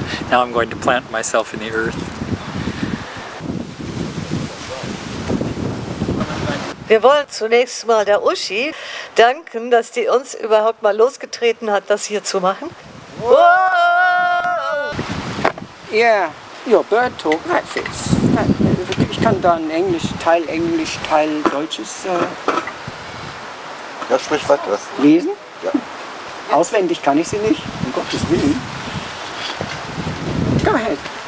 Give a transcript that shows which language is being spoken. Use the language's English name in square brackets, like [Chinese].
[English] Now I'm going to plant myself in the earth. [German] Wir wollen zunächst mal der Uschi danken, dass die uns überhaupt mal losgetreten hat, das hier zu machen. [English] Whoa! Yeah, your bird talk, that fits. [German] Ich kann da ein Englisch, Teil Deutsches. Ja, sprich weiter. Lesen? Ja. Auswendig kann ich sie nicht, um Gottes Willen. [English] Go ahead.